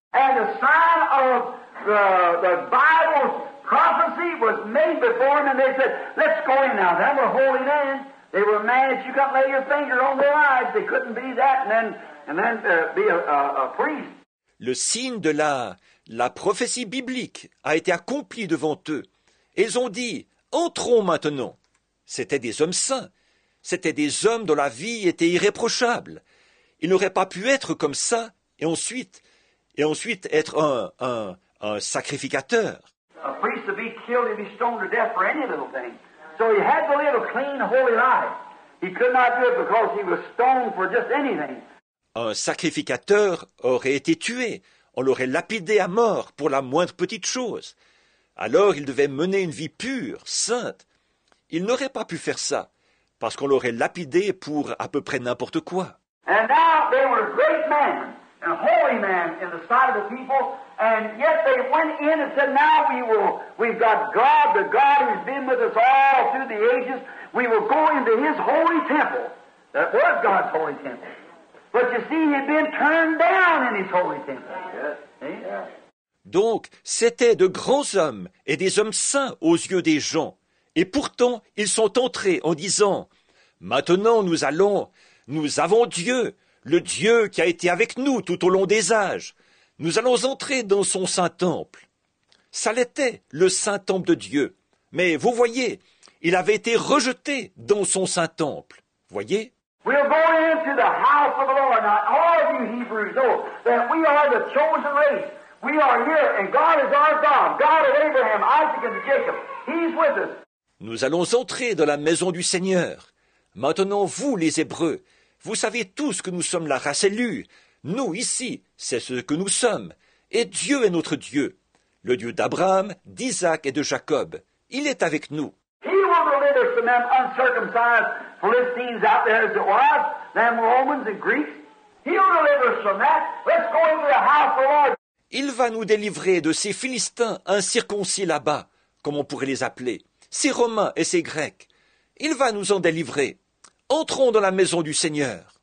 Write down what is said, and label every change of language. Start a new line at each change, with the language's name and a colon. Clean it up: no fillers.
English: And the sign of the Bible's prophecy was made before them, and they said, let's go in now. That was a holy man. They were mad that you couldn't lay your finger on their eyes. They couldn't be that and then be a priest.
French: Le signe de la prophétie biblique a été accompli devant eux. Ils ont dit, entrons maintenant. C'étaient des hommes saints. C'étaient des hommes dont la vie était irréprochable. Ils n'auraient pas pu être comme ça et ensuite être un sacrificateur.
English: A priest would be killed and be stoned to death for any little thing. So he had to live a clean, holy life. He could not do it because he was stoned for just anything.
French: Un sacrificateur aurait été tué. On l'aurait lapidé à mort pour la moindre petite chose. Alors il devait mener une vie pure, sainte. Il n'aurait pas pu faire ça, parce qu'on l'aurait lapidé pour à peu près n'importe quoi.
English: And now they were great men, a holy man in the sight of the people, and yet they went in and said, now we've got God, the God who's been with us all through the ages, we will go into his holy temple. That was God's holy temple. But you see, he'd been turned down in his holy temple. Yes. Yeah.
French: Donc, c'était de grands hommes et des hommes saints aux yeux des gens. Et pourtant, ils sont entrés en disant, « Maintenant, nous avons Dieu, le Dieu qui a été avec nous tout au long des âges. Nous allons entrer dans son Saint-Temple. » Ça l'était, le Saint-Temple de Dieu. Mais vous voyez, il avait été rejeté dans son Saint-Temple. Voyez ?
English: We'll go into the house of the Lord. Now, all of you Hebrews know that we are the chosen race. We are here, and God is our God. God of Abraham, Isaac, and Jacob. He's with us.
French: Nous allons entrer dans la maison du Seigneur. Maintenant, vous, les Hébreux, vous savez tous que nous sommes la race élue. Nous, ici, c'est ce que nous sommes. Et Dieu est notre Dieu, le Dieu d'Abraham, d'Isaac et de Jacob. Il est avec nous.
English: He will deliver from them uncircumcised Philistines out there as it was, them Romans and Greeks. He will deliver us from that. Let's go into the house of the Lord.
French: Il va nous délivrer de ces Philistins incirconcis là-bas, comme on pourrait les appeler. Ces Romains et ces Grecs, il va nous en délivrer. Entrons dans la maison du Seigneur.